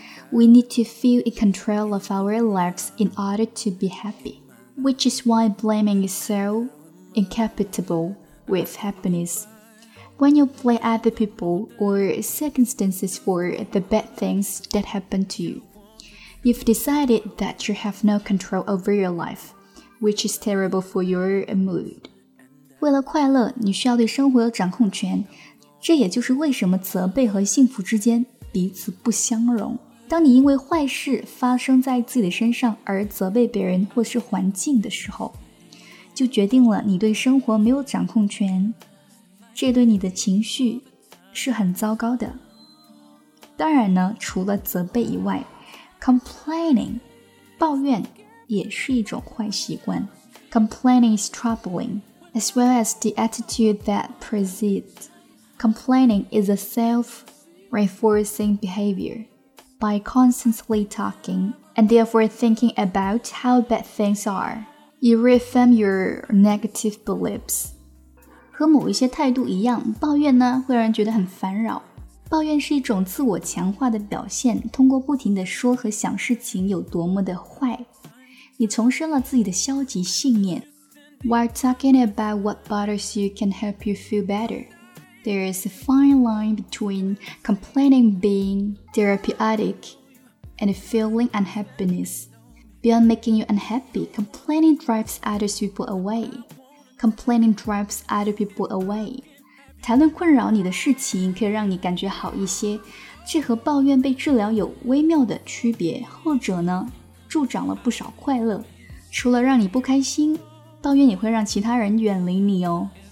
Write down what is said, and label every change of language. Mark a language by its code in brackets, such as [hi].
[en] We need to feel in control of our lives in order to be happy, which is why blaming is so incompatible with happiness. When you blame other people or circumstances for the bad things that happen to you, you've decided that you have no control over your life, which is terrible for your mood. [zh] 为了快乐，你需要对生活有掌控权。这也就是为什么责备和幸福之间彼此不相容。当你因为坏事发生在自己的身上而责备别人或是环境的时候，就决定了你对生活没有掌控权。这对你的情绪是很糟糕的。当然呢，除了责备以外 ，complaining, 抱怨也是一种坏习惯。 [en] Complaining is troubling, as well as the attitude that precedes. Complaining is a self-reinforcing behavior. By constantly talking and therefore thinking about how bad things are, you reaffirm your negative beliefs. [zh] 和某一些态度一样，抱怨呢会让人觉得很烦扰。抱怨是一种自我强化的表现，通过不停地说和想事情有多么的坏，你重申了自己的消极信念。 [en] While talking about what bothers you can help you feel better, there is a fine line between complaining being therapeutic and feeling unhappiness. Beyond making you unhappy, complaining drives other people away. Complaining drives other people away. [zh] 谈论困扰你的事情可以让你感觉好一些，这和抱怨被治疗有微妙的区别。后者呢，助长了不少快乐。除了让你不开心，抱怨也会让其他人远离你哦。